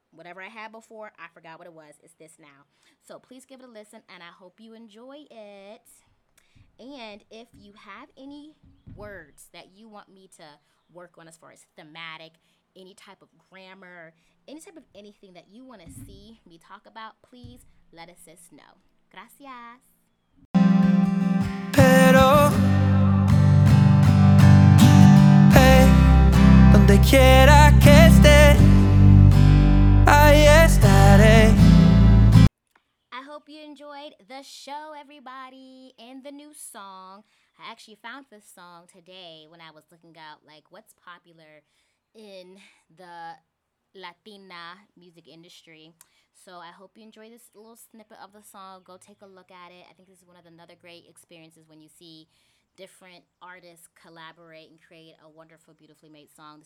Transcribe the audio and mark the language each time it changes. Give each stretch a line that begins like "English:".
English: Whatever I had before, I forgot what it was. It's this now. So please give it a listen, and I hope you enjoy it. And if you have any words that you want me to work on as far as thematic, any type of grammar, any type of anything that you want to see me talk about, please let a sis know.
Spanish: Gracias. Pero, hey, donde quiera que esté, ahí estaré.
English: I hope you enjoyed the show, everybody, and the new song. I actually found this song today when I was looking out, like, what's popular in the Latina music industry. So I hope you enjoy this little snippet of the song. Go take a look at it. I think this is one of another great experiences when you see different artists collaborate and create a wonderful, beautifully made song.